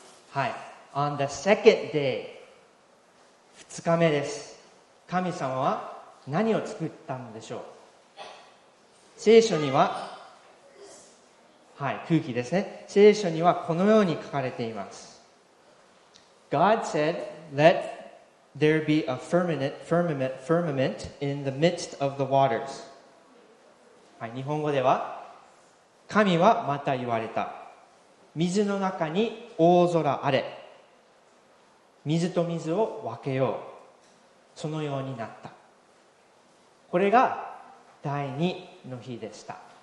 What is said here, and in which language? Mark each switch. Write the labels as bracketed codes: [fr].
[ja] はい。 [en] On the second day、 [ja] 二日目です。神様は何を作ったのでしょう。聖書には、はい、空気ですね。聖書にはこのように書かれています。 [en] God said, Let there be a firmament in the midst of the waters. [ja] はい、日本語では、神はまた言われた。水の中に大空あれ。水と水を分けよう。そのようになった。これが第二の日でした。